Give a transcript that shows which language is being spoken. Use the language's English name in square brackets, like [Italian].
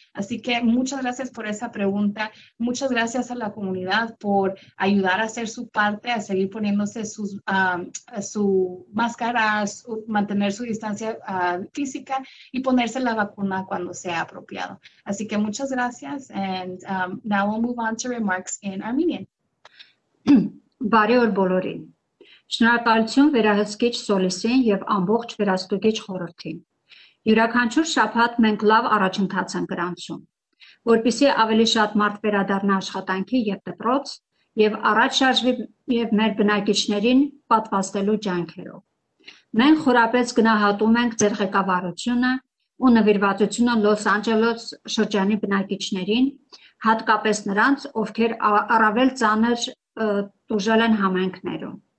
[Spanish] Así que muchas gracias por esa pregunta. Muchas gracias a la comunidad por ayudar a hacer su parte, a seguir poniéndose su máscara, mantener su distancia física y ponerse la vacuna cuando sea apropiado. Así que muchas gracias. [English] And now we'll move on to remarks in Armenian. [Armenian] Բարևոր բոլորին. Շնորհակալություն վերահսկիչ Սոլիսին եւ ամբողջ վերահսկիչ խորհրդին. Յուրաքանչյուր շաբաթ մենք լավ առաջընթաց ենք գրանցում, որպեսզի ավելի շատ մարդ վերադառնա աշխատանքի եւ դպրոց եւ առաջ շարժվի եւ մեր բնակիչներին պատվաստելու ջանքերով։ Մենք խորապես գնահատում ենք ձեր ղեկավարությունը ու նվիրվածությունը Լոս Անջելոս շրջանի բնակիչներին, հատկապես նրանց, ովքեր առավել ծանր տուժել են համայնքներում։